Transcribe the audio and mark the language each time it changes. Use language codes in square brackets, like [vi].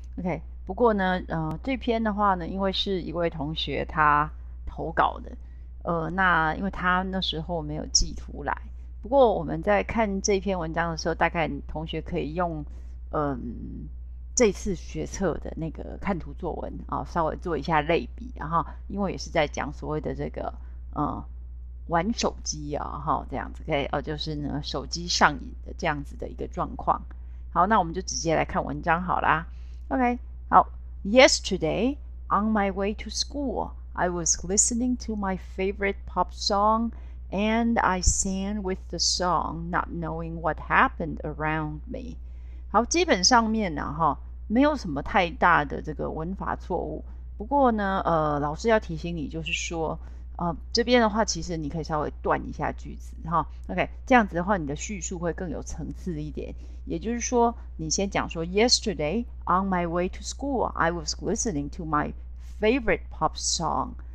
[zh] OK，不过呢，这篇的话呢，因为是一位同学他投稿的，那因为他那时候没有寄图来，不过我们在看这篇文章的时候，大概同学可以用，这次学测的那个看图作文啊，稍微做一下类比，然后因为也是在讲所谓的这个，玩手机啊，哈，这样子可以哦，就是呢，手机上瘾的这样子的一个状况。好，那我们就直接来看文章好啦。 OK，好。 [en] Yesterday, on my way to school, I was listening to my favorite pop song, and I sang with the song, not knowing what happened around me. [zh] 好，基本上面呢，哈，没有什么太大的这个文法错误。不过呢，老师要提醒你，就是说。这边的话，其实你可以稍微断一下句子哈。 OK，这样子的话，你的叙述会更有层次一点。也就是说，你先讲说， [en] Yesterday on my way to school, I was listening to my favorite pop song。